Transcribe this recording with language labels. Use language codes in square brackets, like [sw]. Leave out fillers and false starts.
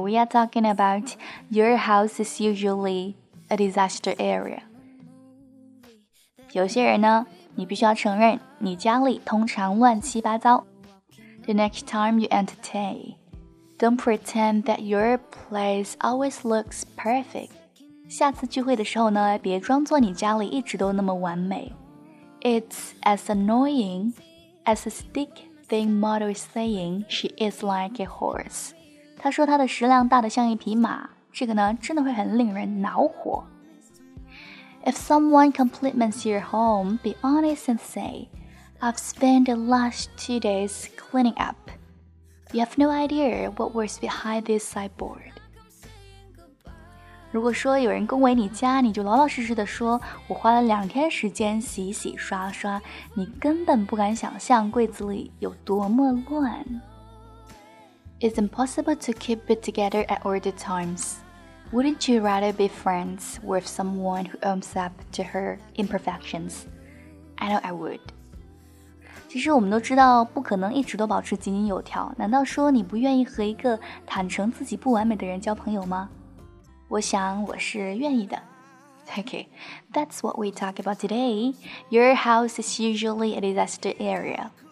[en] We are talking about your house is usually a disaster area. [zh] 有些人呢，你必须要承认，你家里通常乱七八糟。 [en] The next time you entertain, don't pretend that your place always looks perfect. [zh] 下次聚会的时候呢，别装作你家里一直都那么完美。 [en] It's as annoying as a stick thing model is saying she is like a horse. [zh] 她说她的食量大得像一匹马，这个呢真的会很令人恼火。 [en] If someone compliments your home, be honest and say, I've spent the last 2 days cleaning up. You have no idea what was behind this sideboard. [zh] 如果说有人恭维你家，你就老老实实地说，我花了2天时间洗洗刷刷，你根本不敢想象柜子里有多么乱。 [en] It's impossible to keep it together at all the times. Wouldn't you rather be friends with someone who owns up to her imperfections? I know I would. [zh] 其实我们都知道不可能一直都保持井井有条，难道说你不愿意和一个坦诚自己不完美的人交朋友吗？我想我是愿意的。 [en] Okay, that's what we talk about today. Your house is usually a disaster area.